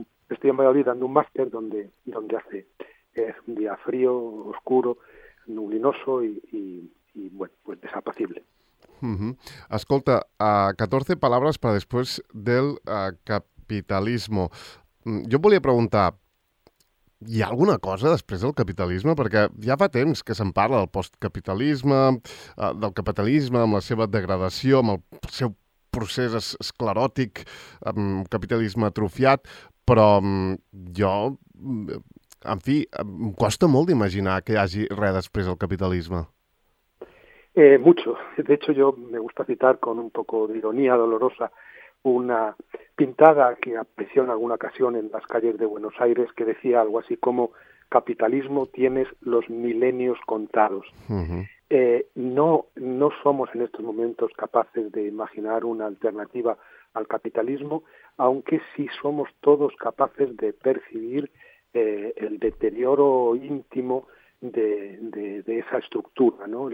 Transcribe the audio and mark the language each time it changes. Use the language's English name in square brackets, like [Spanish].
[Spanish] Estoy en Valladolid dando un máster donde hace un día frío, oscuro, nublinoso y bueno, pues desapacible. Uh-huh. [Catalan] Escolta, [Spanish] 14 palabras para después del capitalismo. [Catalan] Jo et volia preguntar, hi ha alguna cosa després del capitalisme? Perquè ja fa temps que se'n parla del postcapitalisme, del capitalisme amb la seva degradació, amb el seu procés escleròtic, amb capitalisme atrofiat, però jo, en fi, em costa molt d'imaginar que hi hagi res després del capitalisme. [Spanish] Mucho. De hecho, yo me gusta citar con un poco de ironía dolorosa una pintada que apareció en alguna ocasión en las calles de Buenos Aires que decía algo así como capitalismo tienes los milenios contados. Uh-huh. No somos en estos momentos capaces de imaginar una alternativa al capitalismo, aunque sí somos todos capaces de percibir el deterioro íntimo de esa estructura, ¿no?